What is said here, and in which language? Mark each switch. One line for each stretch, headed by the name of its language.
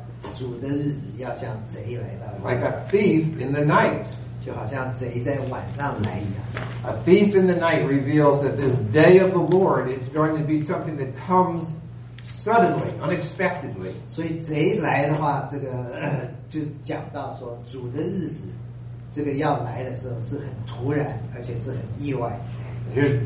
Chinese: 所以彼得在第四节继续讲说，主的日子要像贼来到。Like
English: a thief in the night.
Chinese: 就好像贼在晚上来一样。A
English: thief in the night reveals that this day of the Lord is going to be something that comes suddenly, unexpectedly.
Chinese: 所以贼来的话，这个就讲到说主的日子，这个要来的时候是很突然，而且是很意外。Here's